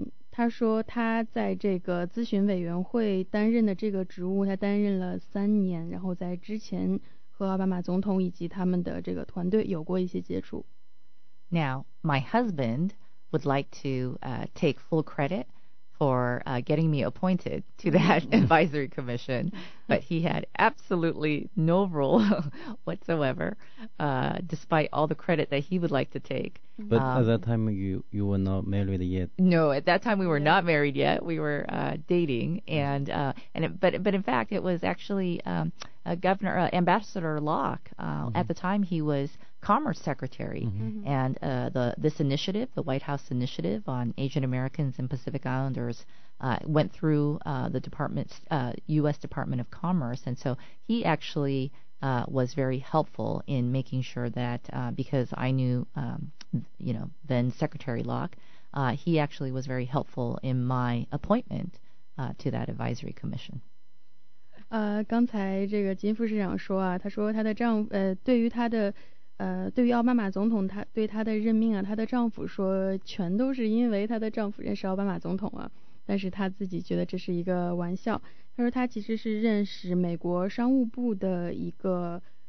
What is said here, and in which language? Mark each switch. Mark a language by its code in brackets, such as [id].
[zh] 他说他在这个咨询委员会担任的这个职务他担任了3年，然后在之前和奥巴马总统以及他们的这个团队有过一些接触。 [en] Now my husband would like to take full credit for getting me appointed to that advisory commission, but he had absolutely no role whatsoever, despite all the credit that he would like to take. But at that time, you were not married yet. No, at that time, we were not married yet. We were dating. But in fact, it was actually Ambassador Locke. At the time, he was Commerce Secretary. And this initiative, the White House initiative on Asian Americans and Pacific Islanders, went through the department's U.S. Department of Commerce. And so he actually was very helpful in making sure that because I knew, then Secretary Locke, he actually was very helpful in my appointment to that advisory commission. [zh] 刚才这个金副市长说啊，他说他的丈夫对于奥巴马总统对他的任命啊，他的丈夫说全都是因为他的丈夫认识奥巴马总统啊，但是他自己觉得这是一个玩笑。他说他其实是认识美国商务部的一个